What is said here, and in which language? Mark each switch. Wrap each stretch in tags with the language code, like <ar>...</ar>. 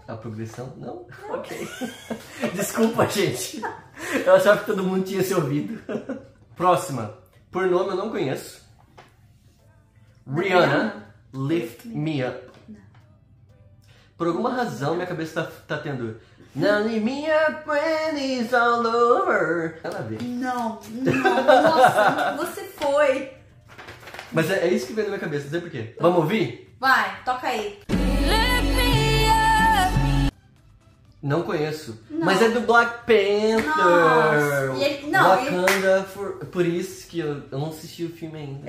<pt>A progressão? Não? Não. Ok. Desculpa, gente. Eu achava que todo mundo tinha se ouvido. Próxima. Por nome eu não conheço. Rihanna, Lift Me Up. Por alguma razão, minha cabeça tá tendo...</pt> <en>Now leave me up when it's all over.</en> <pt>Ela vê. Não, nossa, você foi. Mas é isso que vem na minha cabeça, não sei por quê. Vamos ouvir? Vai, toca aí. Lift Me Up. Não conheço. Não. Mas é do Black Panther. Nossa. E ele, não, Wakanda, por isso que eu não assisti o filme ainda.</pt>